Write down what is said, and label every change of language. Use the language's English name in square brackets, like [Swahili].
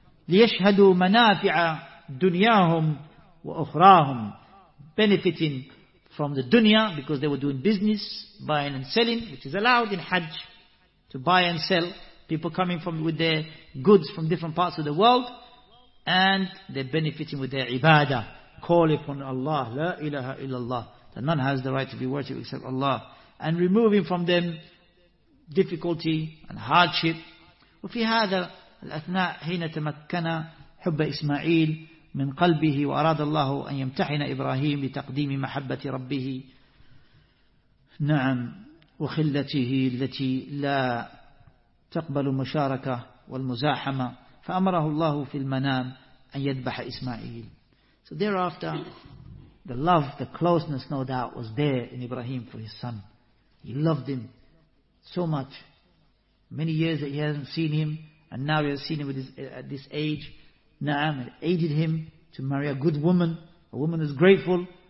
[Arabic] لِيَشْهَدُوا مَنَافِعَ دُنْيَاهُمْ وَأُخْرَاهُمْ, [English] benefiting from the dunya, because they were doing business, buying and selling, which is allowed in Hajj, to buy and sell, people coming from with their goods from different parts of the world, and they're benefiting with their ibadah. Call upon Allah, la ilaha illallah, that none has the right to be worshipped except Allah, and removing from them difficulty and hardship. [Arabic] وفي هذا الأثناء حين تمكن حب إسماعيل من قلبه وأراد الله أن يمتحن إبراهيم بتقديم محبة ربه نعم وخلته التي لا تقبل مشاركة والمزاحمة فأمره الله في المنام أن يذبح إسماعيل. [English] So thereafter, the love, the closeness, no doubt, was there in Ibrahim for his son. He loved him so much. Many years that he hasn't seen him, and now he has seen him with his, at this age. Na'am, it aided him to marry a good woman. A woman who's grateful.